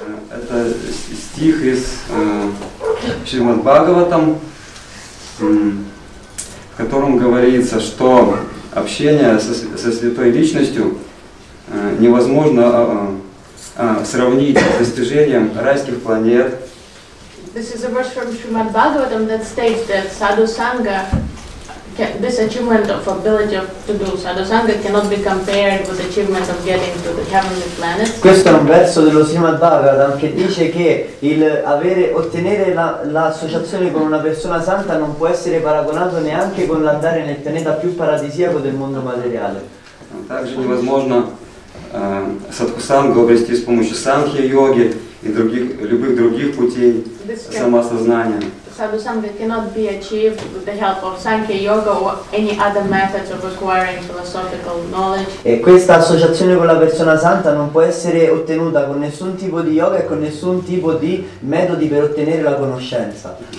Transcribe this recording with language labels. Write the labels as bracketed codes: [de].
[ru] Это стих из Шримад Бхагаватам, в котором говорится, что общение со святой личностью невозможно сравнить с достижением райских планет. [en] This is a verse from Srimad Bhagavatam that states that Sadhu Sangha, this achievement of ability to do Sadhu Sangha cannot be compared with the achievement of getting to the heavenly planets. [it] Questo è un verso dello Srimad Bhagavatam che dice che il avere, ottenere l'associazione con una persona santa non può essere paragonato neanche con l'andare nel pianeta più paradisiaco del mondo materiale. [ru] Также невозможно Sadhu Sangha обрести с помощью Санхи йоги и других любых других путей самосознания. [en] sadhu sangha cannot be achieved with the help of sankhya yoga or any other methods of acquiring philosophical knowledge. [it] E questa associazione con la persona santa non può essere ottenuta con nessun tipo di yoga e con nessun tipo di metodi per ottenere la conoscenza.